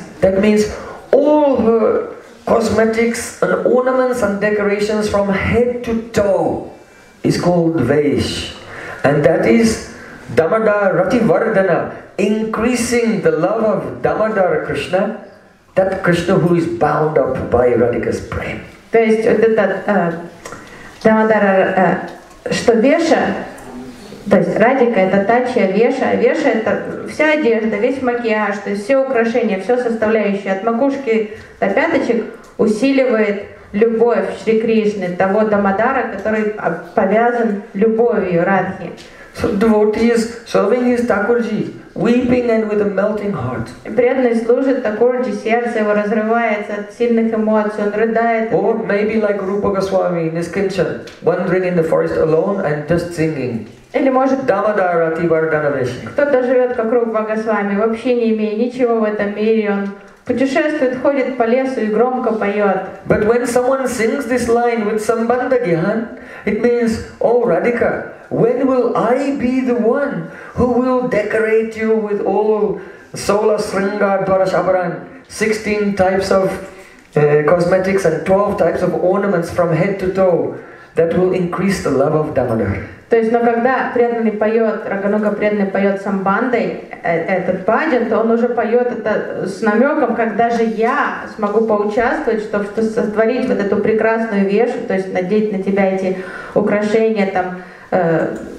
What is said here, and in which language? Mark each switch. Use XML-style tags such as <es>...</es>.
<en>That means all her cosmetics and ornaments and decorations from head to toe is called Vesh. And that is Дамодара Рати Вардана. Increasing the love of Damodara Krishna, that Krishna who is bound up by Radhika's Prem.</en> <ru>То есть вот этот Дамодара, что Веша, то есть Радика это та, чья Веша, а Веша это вся одежда, весь макияж, то есть все украшения, все составляющие от макушки до пяточек усиливает любовь Шри Кришны, того Дамодара, который повязан любовью Радхи.</ru> <en>So devotee is serving his Thakurji, weeping and with a melting heart.</en> <ru>Преданный служит Такурджи, сердце его разрывается от сильных эмоций, он рыдает.</ru> <en>Or maybe like Rupa Goswami in his kitchen, wandering in the forest alone and just singing.</en> <ru>Или может</ru> <sa>Дамодара Рати Вардана Веши.</sa> <ru>Кто-то живет как Рупа Госвами, вообще не имея ничего в этом мире, он путешествует, ходит по лесу и громко поет.</ru> <en>But when someone sings this line with Sambandha Gyan, it means, oh Radhika, when will I be the one who will decorate you with all Sola Sringar Dwara Shabaran, 16 types of cosmetics and 12 types of ornaments from head to toe that will increase the love of Damodar?</en> <ru>То есть, но когда преданный поет, Рагануга преданный поет самбандой этот баджан, то он уже поет это с намеком, когда же я смогу поучаствовать, чтобы сотворить вот эту прекрасную вешу, то есть надеть на тебя эти украшения, там,</ru>